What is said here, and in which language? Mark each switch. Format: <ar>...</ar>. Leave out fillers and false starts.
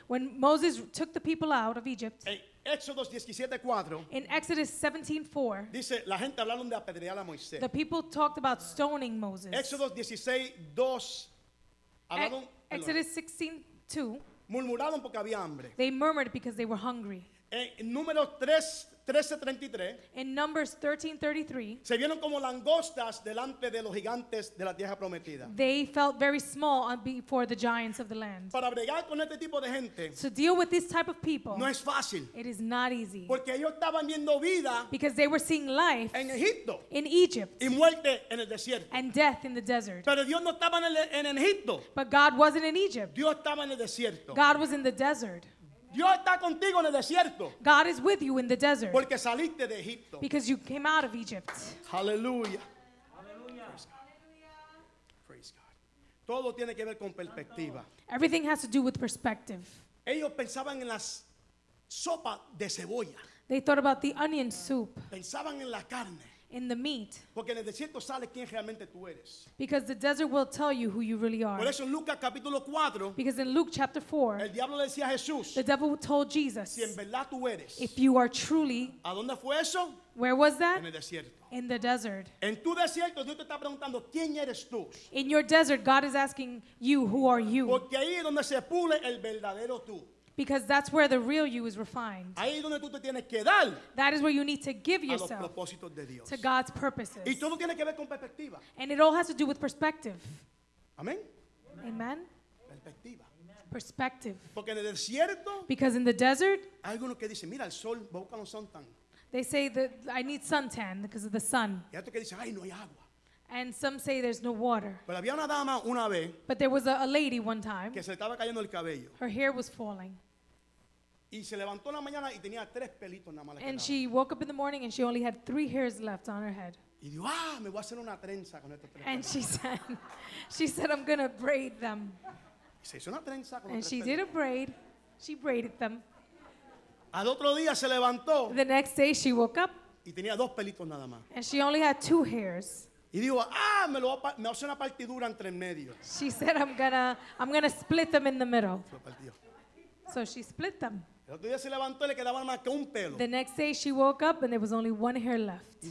<en>When Moses took the people out of Egypt.</en> <es>En Éxodos 17:4.</es> <en>In Exodus 17:4.</en> <es>Dice, la gente hablaron de apedrear a Moisés.</es> <en>The people talked about stoning Moses.</en> <es>Éxodos 16:2.</es> <en>Exodus 16:2.</en> <es>Murmuraron porque había hambre.</es> <en>They murmured because they were hungry.</en> <es>En Números 3.</es> <en>In Numbers 13:33,</en> <es>se vieron como langostas delante de los gigantes de la tierra prometida.</es> <en>They felt very small before the giants of the land.</en> <es>Para bregar con este tipo de gente,</es> <en>to deal with this type of people,</en> <es>no es fácil.</es> <en>It is not easy.</en> <es>Porque ellos estaban viendo vida,</es> <en>because they were seeing life</en> <es>en Egipto,</es> <en>in Egypt,</en> <es>y muerte en el desierto,</es> <en>and death in the desert.</en> <es>Pero Dios no estaba en Egipto,</es> <en>but God wasn't in Egypt.</en> <es>Dios estaba en el desierto.</es> <en>God was in the desert.</en> <es>Dios está contigo en el desierto.</es> <en>God is with you in the desert.</en> <es>Porque saliste de Egipto.</es> <en>Because you came out of Egypt. Hallelujah. Hallelujah. Praise God. Praise God.</en> <es>Todo tiene que ver con perspectiva.</es> <en>Everything has to do with perspective.</en> <es>Ellos pensaban en la sopa de cebolla.</es> <en>They thought about the onion soup.</en> <es>Pensaban en la carne.</es> <en>In the meat.</en> <es>Porque en el desierto sale quién realmente tú eres.</es> <en>Because the desert will tell you who you really are.</en> <es>Por eso en Lucas capítulo 4,</es> <en>because in Luke chapter 4,</en> <es>el diablo le decía a Jesús,</es> <en>the devil told Jesus,</en> <es>si en verdad tú eres,</es> <en>if you are truly,</en> <es>¿a dónde fue eso?</es> <en>Where was that?</en> <es>En el desierto.</es> <en>In the desert.</en> <es>En tu desierto, Dios te está preguntando, ¿quién eres tú?</es> <en>In your desert, God is asking you, who are you?</en> <es>Porque ahí es donde se pule el verdadero tú.</es> <en>Because that's where the real you is refined.</en> <es>Ahí donde tú te tienes que dar.</es> <en>That is where you need to give yourself</en> <es>a los propósitos de Dios.</es> <en>To God's purposes.</en> <es>Y todo tiene que ver con perspectiva.</es> <en>And it all has to do with perspective. Amen. Amen. Amen.</en> <es>Perspectiva.</es> <en>Perspective.</en> <es>Porque en el desierto,</es> <en>because in the desert,</en> <es>hay alguno que dice, mira, el sol, busca un suntan.</es> <en>They say that I need suntan because of the sun.</en> <es>Y otro que dice, ay, no hay agua.</es> <en>And some say there's no water.</en> <es>Pero había una dama una vez,</es> <en>but there was a lady one time</en> <es>que se estaba cayendo el cabello.</es> <en>Her hair was falling.</en> <es>Y se levantó en la mañana y tenía tres pelitos nada más.</es> <en>And she woke up in the morning and she only had three hairs left on her head.</en> <es>Y dijo, ah, me voy a hacer una trenza con estos tres.</es> <en>And she said, I'm gonna braid them.</en> <es>Y se hizo una trenza con</es> <en>and</en> <es>tres</es> <en>she</en> <es>pelitos.</es> <en>Did a braid. She braided them.</en> <es>Al otro día se levantó.</es> <en>The next day she woke up.</en> <es>Y tenía dos pelitos nada más.</es> <en>And she only had two hairs.</en> <es>Y dijo, ah, me hace una partidura entre medio.</es> <en>She said, I'm gonna split them in the middle. So she split them. The next day she woke up and there was only one hair left.</en>